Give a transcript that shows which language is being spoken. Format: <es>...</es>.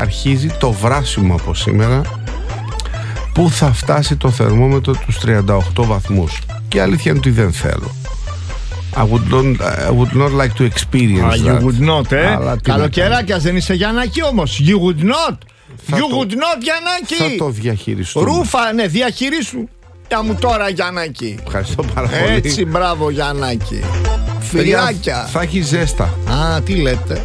<el>Αρχίζει το βράσιμο από σήμερα. Πού θα φτάσει το θερμόμετρο τους 38 βαθμούς. Και η αλήθεια είναι ότι δεν θέλω.</el> <en>I would not like to experience that. You would not, ε.</en> <el>Καλοκαιράκια, δεν είσαι Γιαννάκη όμως.</el> <en>You would not. Γιαννάκη.</en> <el>Θα το διαχειριστούμε. Ρούφα, ναι, διαχειρίσου. Τα μου τώρα, Γιαννάκη. Ευχαριστώ πάρα πολύ. Έτσι, μπράβο, Γιαννάκη. Φιλιάκια. Θα έχει ζέστα. Α, τι λέτε.</el>